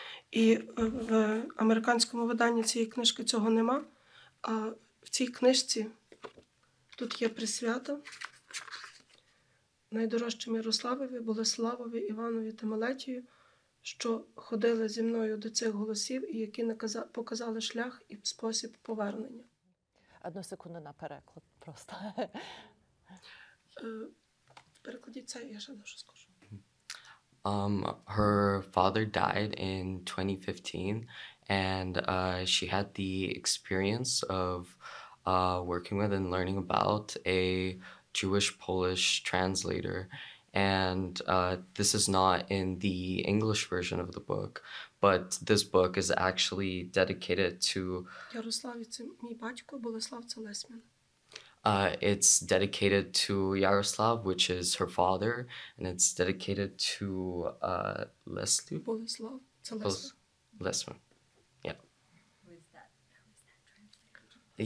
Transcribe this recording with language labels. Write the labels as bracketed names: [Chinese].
[Ukrainian] І в американському виданні цієї книжки цього нема, а в цій книжці тут є присвята найдорожчим Ярославові, Болеславові, Іванові та Малетію, що ходили зі мною до цих голосів і які показали шлях і спосіб повернення. Одну секунду на переклад просто. Перекладіть це, я ще дуже скажу. [English] Her father died in 2015 and she had the experience of working with and learning about a Jewish-Polish translator. And this is not in the English version of the book, but this book is actually dedicated to... [Ukrainian] Ярослав, це мій батько, Болеслав, це Лесьмін. [English] It's dedicated to Ярослав, which is her father, and it's dedicated to Лесьмін. [Ukrainian] Болеслав, це Лесьмін. [English] Лесьмін, yeah. Who is that translator?